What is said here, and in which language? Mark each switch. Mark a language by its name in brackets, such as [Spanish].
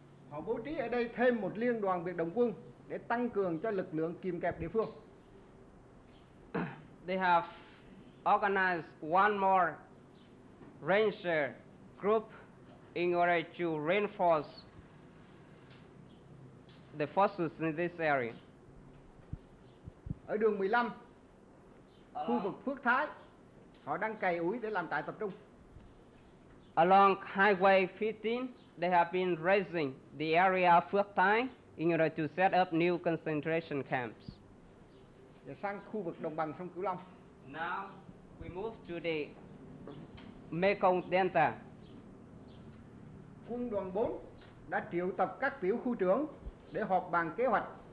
[Vietnamese] Họ bố trí ở đây thêm một liên đoàn biệt động quân để tăng cường cho lực lượng kìm kẹp địa phương. [English] They have organized one more ranger group in order to reinforce the forces in this area. [Vietnamese] Ở đường 15, khu vực Phước Thái, họ đang cày ủi để làm trại tập trung. [English] Along Highway 15, they have been raising the area of Phước Thái in order to set up new concentration camps. [Vietnamese] Và sang khu vực đồng bằng sông Cửu Long. [English] Now we move to the Mekong Delta. [Vietnamese] Quân đoàn 4 đã triệu tập các tiểu khu trưởng để họp bàn kế hoạch.